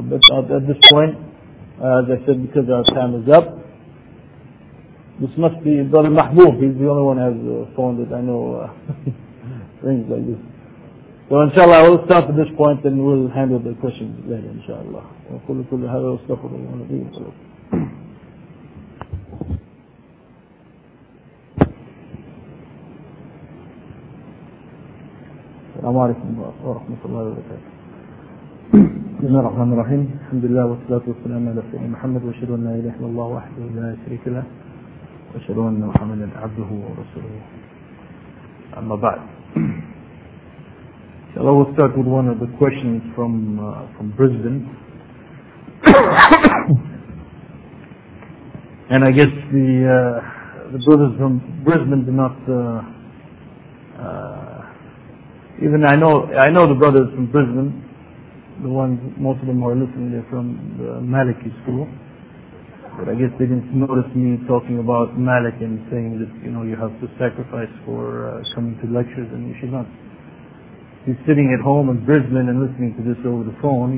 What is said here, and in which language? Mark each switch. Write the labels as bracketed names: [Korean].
[English] But at this point, as I said, because our time is up, this must be Brother Mahmoud, he's the only one who has a phone that I know rings like this. So inshallah, I will stop at this point and we'll handle the questions later, inshallah. [Arabic] وكل كل هذا استغفر الله العظيم السلام عليكم ورحمة الله وبركاته. بسم الله الرحمن الرحيم. الحمد لله والصلاة والسلام على سيدنا محمد واشهد أن لا إله إلا الله وحده لا شريك له واشهد أن محمدا عبده ورسوله. أما بعد. [English] So I will start with one of the questions from Brisbane. And I guess the brothers from Brisbane did not even I know the brothers from Brisbane, the ones, most of them are listening, they're from the Maliki school, but I guess they didn't notice me talking about Malik and saying that, you know, you have to sacrifice for coming to lectures and you should not be sitting at home in Brisbane and listening to this over the phone.